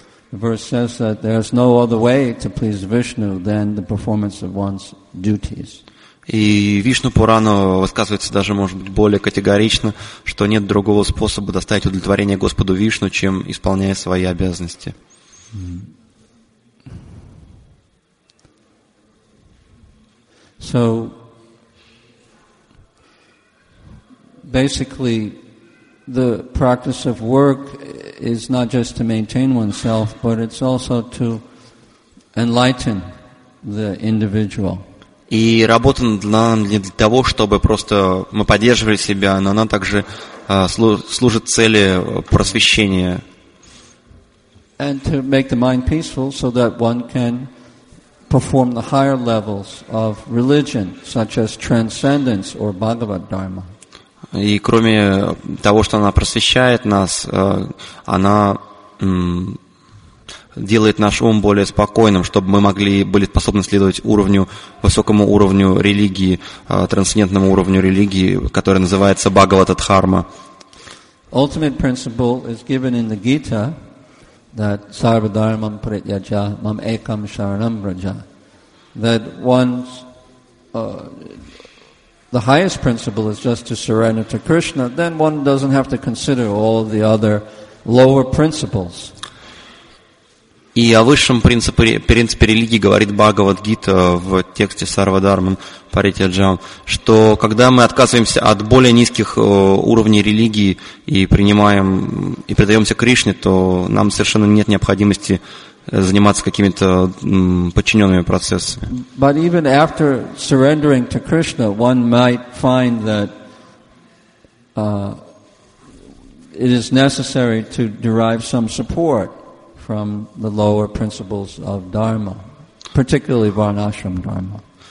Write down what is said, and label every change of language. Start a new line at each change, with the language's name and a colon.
English: The verse says that there's no other way to please Vishnu than the performance of one's duties.
Russian: И Вишну Пурана высказывается даже, может быть, более категорично, что нет другого способа доставить удовлетворение Господу Вишну, чем исполняя свои обязанности.
English: So, basically, the practice of work is not just to maintain oneself, but it's also to enlighten the individual.
Russian: И работа нам не для того, чтобы просто мы поддерживали себя, но она также служит цели просвещения.
English: And to make the mind peaceful so that one can perform the higher levels of religion, such as transcendence or Bhagavad Dharma.
Russian: И кроме того, что она просвещает нас, она делает наш ум более спокойным, чтобы мы могли были способны следовать уровню, высокому уровню религии, трансцендентному уровню религии, которая называется Бхагавата Дхарма.
English: Ultimate principle is given in the Gita that
Sanskrit: sarva dharmam pratyaja mam ekam sharanam braja.
English: That one's the highest principle is just to surrender to Krishna, then one doesn't have to consider all the other lower principles.
Russian: И о высшем принципе религии говорит Бхагавад-гита в тексте
Sanskrit: Сарва-дарман Паритья-джам,
Russian: что когда мы отказываемся от более низких уровней религии и принимаем и предаемся Кришне, то нам совершенно нет необходимости заниматься какими-то подчиненными процессами.
English: But even after surrendering to Krishna, one might find that it is necessary to derive some support from the lower principles of dharma, particularly varnashram dharma.